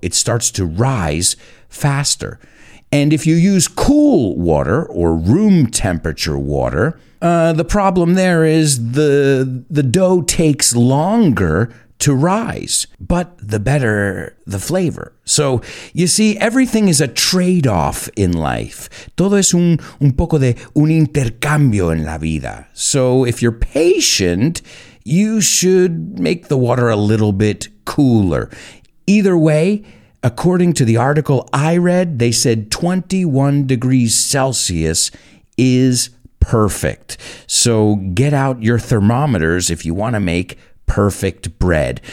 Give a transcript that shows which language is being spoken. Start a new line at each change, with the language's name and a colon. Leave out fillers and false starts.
English: It starts to rise faster. And if you use cool water or room temperature water, the problem there is the dough takes longer to rise, but the better the flavor. So, you see, everything is a trade-off in life.
Spanish: Todo es un poco de un intercambio en la vida.
English: So, if you're patient, you should make the water a little bit cooler. Either way, according to the article I read, they said 21 degrees Celsius is perfect. So get out your thermometers if you want to make perfect bread.